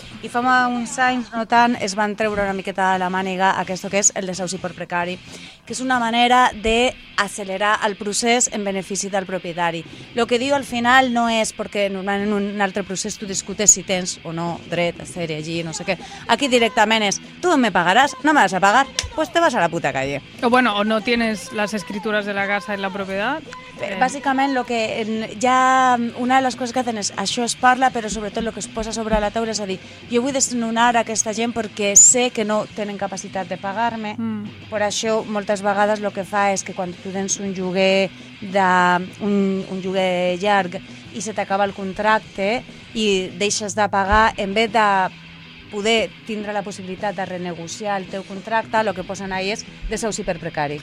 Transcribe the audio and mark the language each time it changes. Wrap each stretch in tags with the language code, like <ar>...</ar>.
<ca>I fa uns anys, no tant, es van treure una miqueta de la màniga aquesta que és el desahuci per precari, que és una manera d'accelerar el procés en benefici del propietari. El que diu al final no és perquè normalment en un altre procés tu discutes si tens o no dret a ser allí, no sé què. Aquí directament és, tu me pagaràs,</ca> <es>no me vas a pagar, pues te vas a la puta calle. O bueno, o no tienes las escrituras de la casa en la propiedad.</es> <ca>Bàsicament, lo que ja una de les coses que tenes, això es parla, però sobretot el que es posa sobre la taula és a dir, jo vull desnonar aquesta gent perquè sé que no tenen capacitat de pagar-me. Mm. Per això moltes vegades lo que fa és que quan tu tens un lloguer de un lloguer llarg i se t'acaba el contracte i deixes de pagar, en vez de poder tindre la possibilitat de renegociar el teu contracte, el que posen ahí és deseu superprecari.</ca>